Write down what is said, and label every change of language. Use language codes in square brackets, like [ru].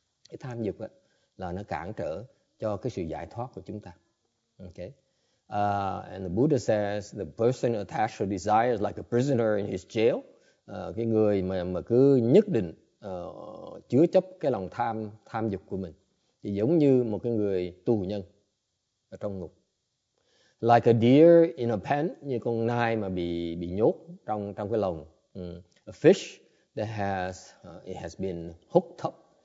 [vi] Cái tham dục là nó cản trở cho cái sự giải thoát của chúng ta. Okay. [en] And the Buddha says the person attached to desire is like a prisoner in his jail. [vi] Cái người mà cứ nhất định chứa chấp cái lòng tham dục của mình thì giống như một cái người tù nhân ở trong ngục. [en] Like a deer in a pen, [vi] như con nai mà bị nhốt trong cái lồng. [en] A fish that has been hooked up.